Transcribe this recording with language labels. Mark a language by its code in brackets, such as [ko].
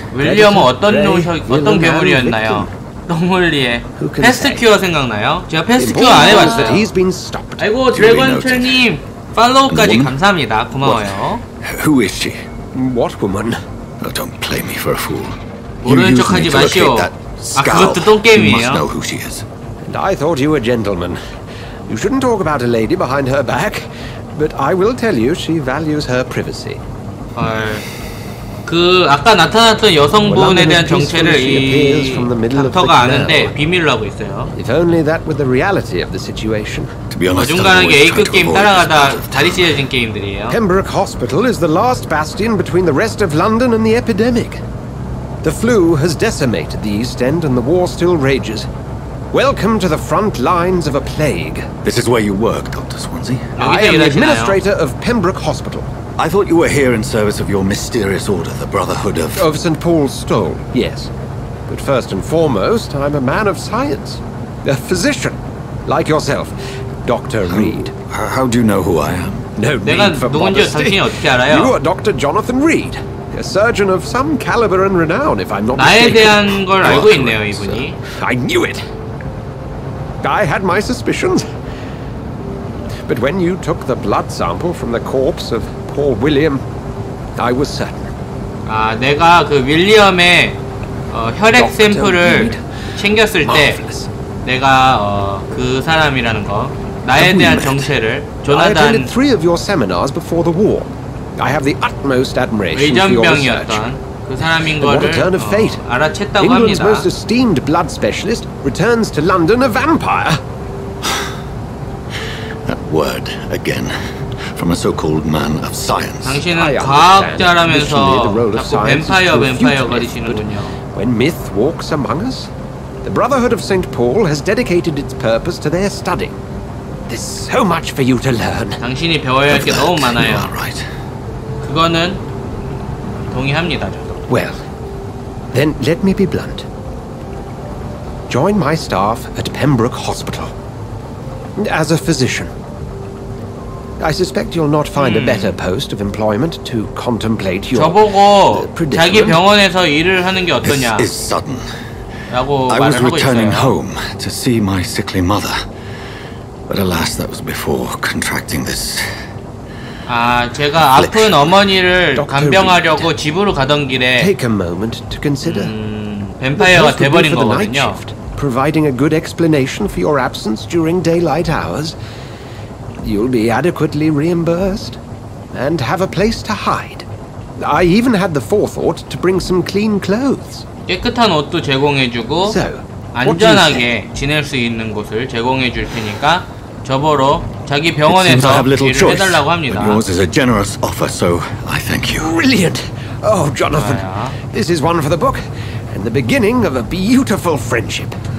[ko] 윌리엄은 어떤 어떤 괴물이었나요? 똥물리에 패스트큐어 생각나요? 제가 패스트큐어 안 해봤어요. 아이고 드래곤철님 팔로우까지 감사합니다. 고마워요. [en] Who is she? What woman? Oh, don't play me for a fool. [ko] 모르는 척하지 마시오. 아, 그것도 또 게임이에요. [en] You must know who she is. And I thought you were a gentleman. You shouldn't talk about a lady behind her back. But I will tell you, she values her privacy. [ko] 그 아까 나타났던 여성분에 대한 정체를 이 닥터가 아는데 비밀로 하고 있어요. [en] If only that were the reality of the situation. [ko] 어중간하게 A급 게임 따라가다 자리 찢어진 게임들이에요. [en] Pembroke Hospital is the last bastion between the rest of London and the epidemic. The flu has decimated the East End and the war still rages. Welcome to the front lines of a plague. This is where you work, Dr. Swansea. I am the administrator of Pembroke Hospital. I thought you were here in service of your mysterious order, the Brotherhood of... Of St. Paul's Stole, yes. But first and foremost, I'm a man of science. A physician, like yourself, Dr. Reed. How do you know who I am? No need for modesty. You are Dr. Jonathan Reed, a surgeon of some caliber and renown, if I'm not mistaken. [ko] 나에 대한 걸 알고 있네요, 이분이. [en] I knew it! I had my suspicions. But when you took the blood sample from the corpse of poor William, I was certain. [ko] 아, 내가 그 윌리엄의 혈액 샘플을 챙겼을 때 내가 그 사람이라는 거, 나에 대한 정체를 조나단 [en] I attended three of your seminars before the war. I have the utmost admiration for your research. [ko] 의전병이었던 그 사람인 거를 알아챘다고 [en] England's [ko] 합니다. [en] England's most esteemed blood specialist returns to London a vampire. That word again from a so-called man of science. [ko] 당신은 과학자라면서 자꾸 뱀파이어 거리시는군요. [en] When myth walks among us, the Brotherhood of St. Paul has dedicated its purpose to their study. There's so much for you to learn. [ko] 당신이 배워야 할 게 너무 많아요. [en] You are right. [ko] 그거는 동의합니다. [en] Well, then let me be blunt. Join my staff at Pembroke Hospital as a physician. I suspect you'll not find a better post of employment to contemplate your predicament. [ko] 자기 병원에서 일을 하는 게 어떠냐? [en] This is sudden. [ko] 라고 [en] I was returning [ko] 있어요. [en] home to see my sickly mother, but alas, that was before contracting this. [ko] 아, 제가 아픈 어머니를 간병하려고 집으로 가던 길에 뱀파이어가 돼버린 거거든요. [en] Providing a good explanation for your absence during daylight hours, you'll be adequately reimbursed and have a place to hide. I even had the forethought to bring some clean clothes. [ko] 깨끗한 옷도 제공해주고 안전하게 지낼 수 있는 곳을 제공해줄 테니까 저보러 자기 병원에서 일을 해달라고 합니다. [en] But yours is a generous offer, so I thank you. Brilliant! Oh, Jonathan, 아야. This is one for the book and the beginning of a beautiful friendship.